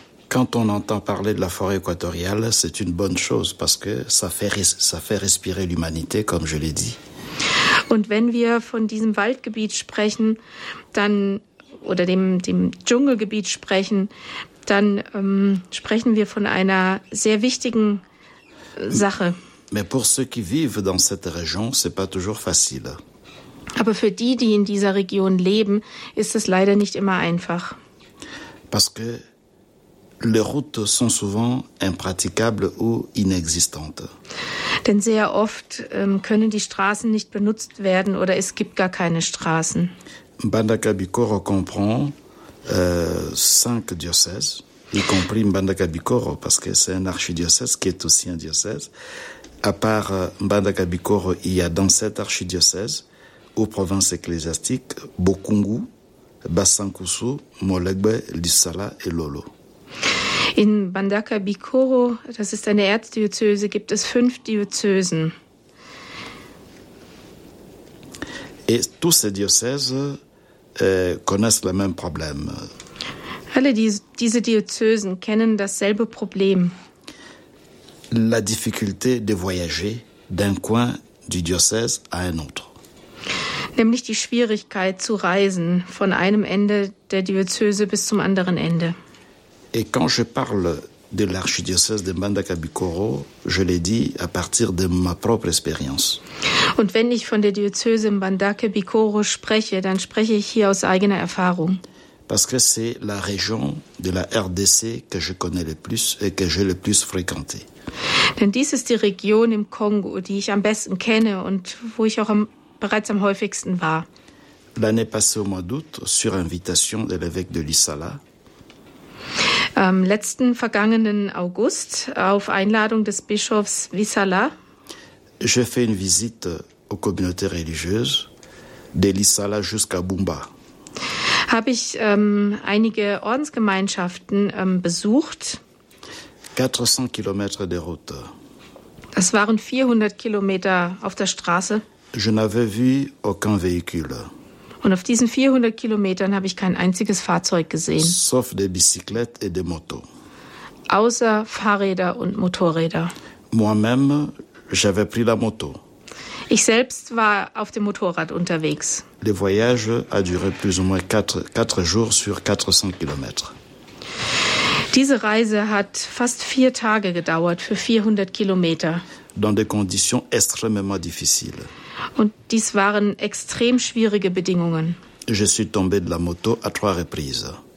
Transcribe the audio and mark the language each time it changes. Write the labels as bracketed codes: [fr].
[fr] Quand on entend parler de la forêt équatoriale, c'est une bonne chose parce que ça fait respirer l'humanité, comme je l'ai dit. [de] Und wenn wir von diesem Waldgebiet sprechen, dann oder dem Dschungelgebiet sprechen, dann sprechen wir von einer sehr wichtigen Sache. [fr] Mais pour ceux qui vivent dans cette région, c'est pas toujours facile. [de] Aber für die in dieser Region leben, ist es leider nicht immer einfach. [fr] Parce que les routes sont souvent impraticables ou inexistantes. [de] Denn sehr oft können die Straßen nicht benutzt werden oder es gibt gar keine Straßen. [fr] Mbandaka-Bikoro comprend 5 diocèses, y compris Mbandaka-Bikoro, parce que c'est un archidiocèse qui est aussi un diocèse. À part Mbandaka-Bikoro, il y a dans cet archidiocèse, aux provinces ecclésiastiques, Bokungu, Bassankusu, Molegbe, Lissala et Lolo. [de] In Mbandaka-Bikoro, das ist eine Erzdiözese, gibt es 5 Diözesen. [fr] Et tous ces diocèses connaissent le même problème. [de] Alle diese Diözesen kennen dasselbe Problem. [fr] La difficulté de voyager d'un coin du diocèse à un autre. [de] Nämlich die Schwierigkeit zu reisen von einem Ende der Diözese bis zum anderen Ende. [fr] Et quand je parle de l'archidiocèse de Mbandaka-Bikoro, je l'ai dit à partir de ma propre expérience. [de] Und wenn ich von der Diözese Mbandaka-Bikoro spreche, dann spreche ich hier aus eigener Erfahrung. [fr] Parce que c'est la région de la RDC que je connais le plus et que j'ai le plus fréquenté. [de] Denn dies ist die Region im Kongo, die ich am besten kenne und wo ich auch bereits am häufigsten war. [fr] L'année passée au mois d'août, sur invitation de l'évêque de Lissala. [de] Am letzten vergangenen August auf Einladung des Bischofs Wissala. [fr] J'ai fait une visite aux communautés religieuses de Lissala jusqu'à Bumba. [de] Habe ich einige Ordensgemeinschaften besucht. [fr] 400 Kilometer de route. [de] Das waren 400 Kilometer auf der Straße. [fr] Je n'avais vu aucun véhicule. [de] Und auf diesen 400 Kilometern habe ich kein einziges Fahrzeug gesehen. [fr] Sauf des bicyclettes et des motos. [de] Außer Fahrräder und Motorräder. [fr] Moi-même, j'avais pris la moto. [de] Ich selbst war auf dem Motorrad unterwegs. [fr] Le voyage a duré plus ou moins 4 jours sur 400 kilomètres. [de] Diese Reise hat fast 4 Tage gedauert für 400 Kilometer. [fr] Dans des conditions extrêmement difficiles. [de] Und dies waren extrem schwierige Bedingungen. [fr] Je suis tombé de la moto à 3 reprises.